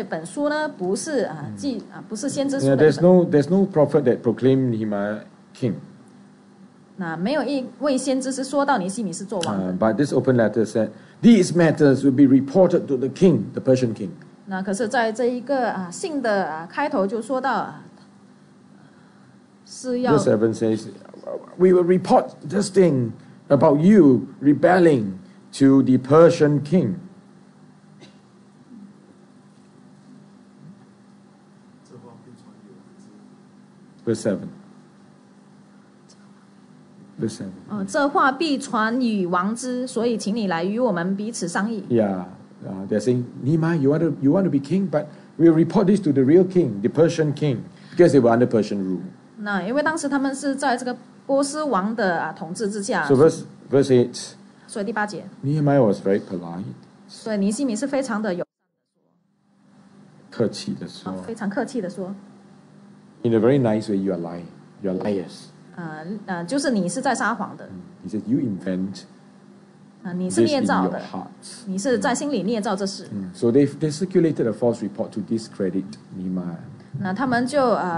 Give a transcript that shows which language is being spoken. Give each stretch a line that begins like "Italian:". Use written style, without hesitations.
Chinese: 那尼希米记这本书呢，不是先知书。
English: Yeah, there's no prophet that proclaimed Nehemiah king.
Chinese: 那没有一位先知是说到尼希米是做王的。
English: But this open letter said these matters will be reported to the king, the Persian king.
Chinese: 那可是在这一个信的开头就说到是要。
English: Verse 7 says, "We will report this thing about you rebelling to the Persian king." Verse 7.
Chinese: 这话必传与王之，所以请你来与我们彼此商议。
English: They're saying, Nehemiah, you want to be king, but we'll report this to the real king, the Persian king, because they were under Persian rule.
Chinese: 那因为当时他们是在这个波斯王的统治之下。
English: So verse 8.
Chinese: 所以第八节。
English: Nehemiah was very polite.
Chinese: 所以尼希米是非常的客气的说。非常客气的说。
English: In a very nice way, you are lying. You are liars.
Chinese: 就是你是在撒谎的。
English: He said, you invent this in your hearts.
Chinese: 你是在心里捏造这事。
English: So they circulated a false report to discredit Nehemiah.